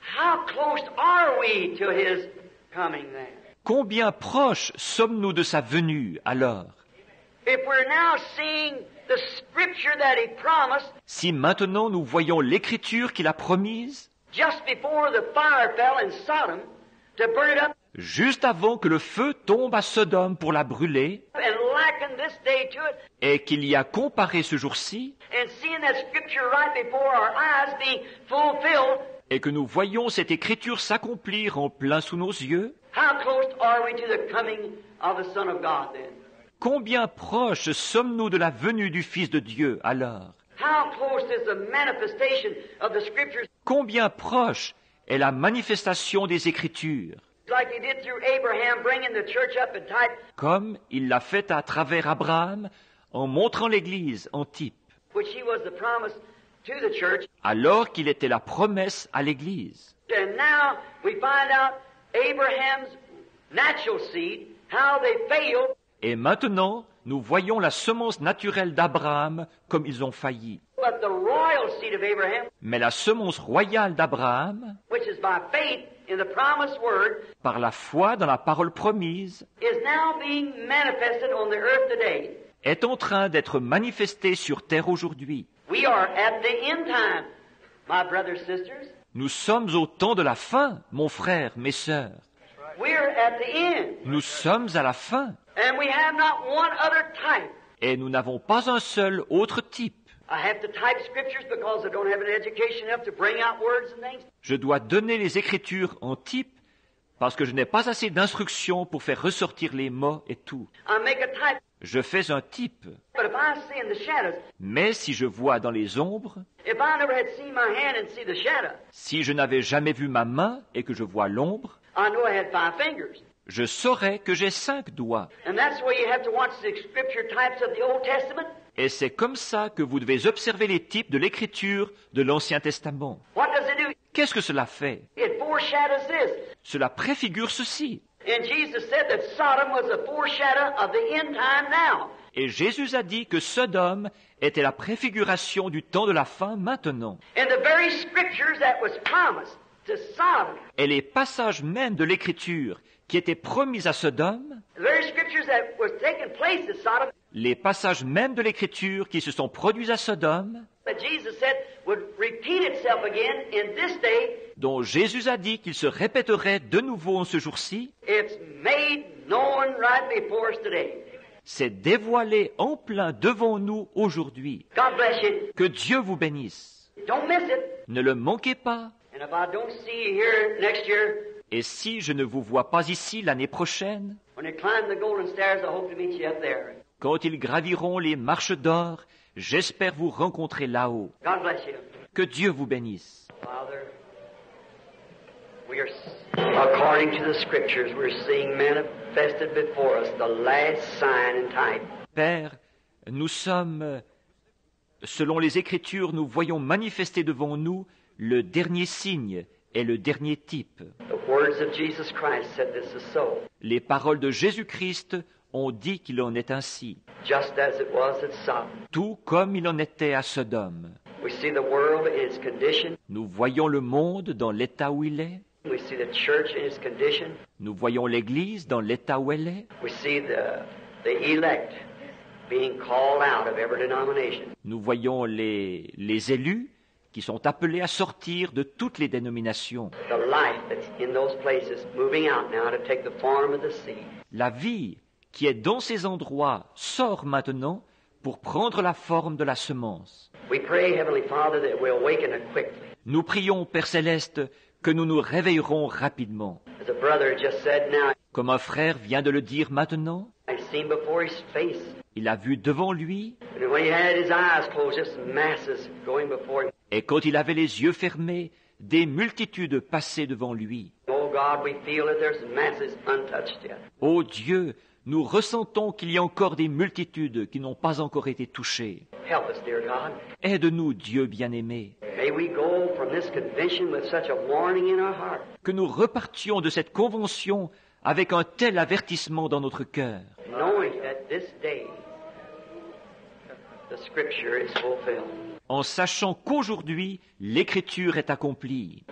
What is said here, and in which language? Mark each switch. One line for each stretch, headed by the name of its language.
English: how close are we to his coming then?
French: Combien proches sommes-nous de sa venue alors?
English: If we're now seeing the scripture that he promised,
French: si maintenant nous voyons l'écriture qu'il a promise,
English: just before the fire fell in Sodom to burn it up,
French: juste avant que le feu tombe à Sodome pour la brûler,
English: and lack reckon this day to it.
French: Et qu'il y a comparé ce jour-ci.
English: And seeing that scripture right before our eyes being fulfilled.
French: Et que nous voyons cette écriture s'accomplir en plein sous nos yeux.
English: How close are we to the coming of the Son of God then?
French: Combien proches sommes-nous de la venue du Fils de Dieu alors?
English: How close is the manifestation of the scriptures?
French: Combien proche est la manifestation des Écritures?
English: Like he did through Abraham, bringing the church up in type.
French: Comme il l'a fait à travers Abraham, en montrant l'Église en type.
English: Which he was the promise to the church.
French: Alors qu'il était la promesse à l'Église.
English: And now we find out Abraham's natural seed, how they failed.
French: Et maintenant, nous voyons la semence naturelle d'Abraham comme ils ont failli.
English: But the royal seed of Abraham,
French: mais la semence royale d'Abraham,
English: which is by faith in the promised word,
French: par la foi dans la parole promise,
English: is now being manifested on the earth today.
French: Est en train d'être manifestée sur terre aujourd'hui.
English: We are at the end time, my brothers, sisters.
French: Nous sommes au temps de la fin, mon frère, mes sœurs.
English: We're at the end.
French: Nous sommes à la fin.
English: And we have not one other type.
French: Et nous n'avons pas un seul autre type.
English: I have to type scriptures because I don't have an education enough to bring out words and things.
French: Je dois donner les écritures en type parce que je n'ai pas assez d'instructions pour faire ressortir les mots et tout.
English: I make a type.
French: Je fais un type.
English: But if I see in the shadows,
French: mais si je vois dans les ombres,
English: if I never had seen my hand and see the shadow,
French: si je n'avais jamais vu ma main et que je vois l'ombre,
English: I know I had five fingers.
French: Je saurais que j'ai cinq doigts.
English: And that's why you have to watch the scripture types of the Old Testament.
French: Et c'est comme ça que vous devez observer les types de l'écriture de l'Ancien Testament.
English: What does it do?
French: Qu'est-ce que cela fait?
English: It foreshadows this.
French: Cela préfigure ceci.
English: And Jesus said that Sodom was a foreshadow of the end time now.
French: Et Jésus a dit que Sodome était la préfiguration du temps de la fin maintenant.
English: And the very scriptures that was promised to Sodom.
French: Et les passages même de l'écriture qui étaient promises à Sodome.
English: The very scriptures that was taking place to Sodom.
French: Les passages même de l'écriture qui se sont produits à Sodome.
English: That Jesus said would repeat itself again in this day.
French: Dont Jésus a dit qu'il se répéterait de nouveau en ce jour-ci.
English: It's made known right before us today.
French: C'est dévoilé en plein devant nous aujourd'hui.
English: God bless you.
French: Que Dieu vous bénisse.
English: Don't miss it.
French: Ne le manquez pas.
English: And if I don't see you here next year,
French: et si je ne vous vois pas ici l'année prochaine,
English: when they climb the golden stairs, I hope to meet you up there.
French: Quand ils graviront les marches d'or, j'espère vous rencontrer là-haut.
English: God bless you.
French: Que Dieu vous bénisse.
English: Father, we are, according to the scriptures, we're seeing manifested before us the last sign and type.
French: Père, nous sommes, selon les Écritures, nous voyons manifester devant nous le dernier signe et le dernier type.
English: The words of Jesus Christ said this is so.
French: Les paroles de Jésus-Christ ont dit qu'il en est ainsi.
English: Just as it was at Sodom.
French: Tout comme il en était à Sodome.
English: We see the world in its condition.
French: Nous voyons le monde dans l'état où il est.
English: We see the church in its condition.
French: Nous voyons l'Église dans l'état où elle est.
English: We see the elect being called out of every denomination.
French: Nous voyons les élus qui sont appelés à sortir de toutes les dénominations.
English: The life that's in those places moving out now to take the form of the seed.
French: La vie qui est dans ces endroits sort maintenant pour prendre la forme de la semence.
English: We pray, Heavenly Father, that we awaken it quickly.
French: Nous prions, Père Céleste, que nous nous réveillerons rapidement.
English: As a brother just said now,
French: comme un frère vient de le dire maintenant,
English: I've seen before his face.
French: Il a vu devant lui,
English: and when he had his eyes closed, just masses going before him.
French: Et quand il avait les yeux fermés, des multitudes passaient devant lui.
English: Oh, God, we feel that there's masses untouched yet.
French: Oh Dieu, nous ressentons qu'il y a encore des multitudes qui n'ont pas encore été touchées.
English: Help us, dear God.
French: Aide-nous, Dieu bien-aimé.
English: May we go from this convention with such a warning in our heart.
French: Que nous repartions de cette convention avec un tel avertissement dans notre cœur.
English: Knowing that this day the scripture is fulfilled.
French: En sachant qu'aujourd'hui l'écriture est accomplie.